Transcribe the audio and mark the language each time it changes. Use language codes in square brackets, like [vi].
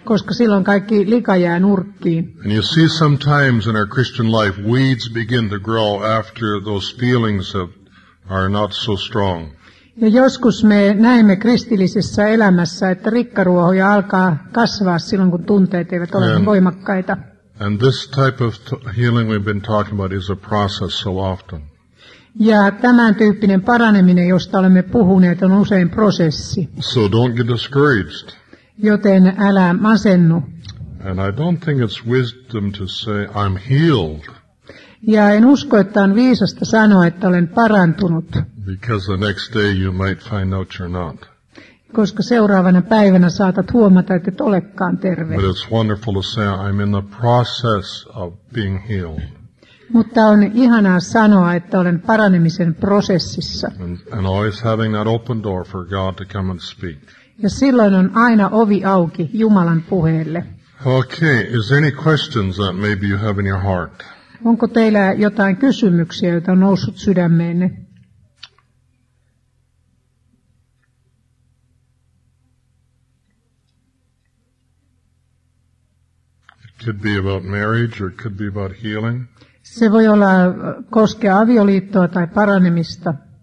[fi] Koska silloin kaikki lika jää nurkkiin. [en] And you see sometimes in our Christian life weeds begin to grow after those feelings are not so strong. [fi] Ja joskus me näemme kristillisessä elämässä, että rikkaruohoja alkaa kasvaa silloin, kun tunteet eivät ole voimakkaita. [en] And this type of healing we've been talking about is a process so often. [fi] Ja tämän tyyppinen paraneminen, josta olemme puhuneet, on usein prosessi. [en] So don't get discouraged. [fi] Joten älä masennu. [en] And I don't think it's wisdom to say, I'm healed. [fi] Ja en usko, että on viisasta sanoa, että olen parantunut. [en] Because the next day you might find out you're not. [fi] Koska seuraavana päivänä saatat huomata, että et olekaan terve. [en] But it's wonderful to say I'm in the process of being healed. [fi] Mutta on ihanaa sanoa, että olen paranemisen prosessissa. [en] And always having that open door for God to come and speak. [fi] Ja silloin on aina ovi auki Jumalan puheelle. [en] Okay, is there any questions that maybe you have in your heart? [fi] Onko teillä jotain kysymyksiä, joita on noussut sydämeenne? [en] It could be about marriage or it could be about healing. [fi] Se voi olla koskea avioliittoa tai paranemista.